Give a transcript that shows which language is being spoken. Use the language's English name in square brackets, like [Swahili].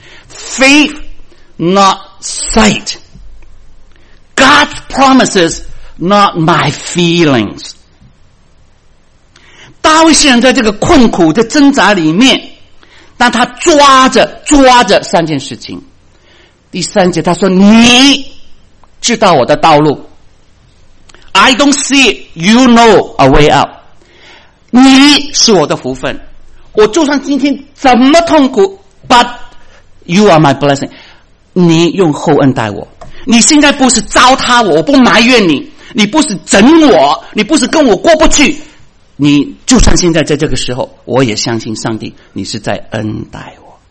[English] Faith not sight, God's promises not my feelings。 [Chinese] 大卫虽然在这个困苦的挣扎里面，但他抓着三件事情。第三节他说，你知道我的道路， [English] I don't see you know a way out。 [Chinese] 你是我的福分，我就算今天怎么痛苦， [English] But you are my blessing。 [Chinese] 你用厚恩待我，你现在不是糟蹋我，我不埋怨你，你不是整我，你不是跟我过不去，你就算现在在这个时候，我也相信上帝，你是在恩待我。